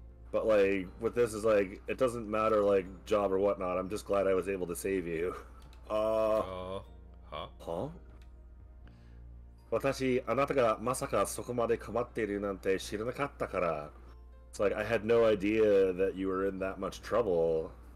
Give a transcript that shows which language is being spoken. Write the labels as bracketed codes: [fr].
[en] But like, with this is like, it doesn't matter like job or whatnot, I'm just glad I was able to save you. Huh? [ja] 私、あなたがまさかそこまで困っているなんて知らなかったから。 [en] It's like, I had no idea that you were in that much trouble.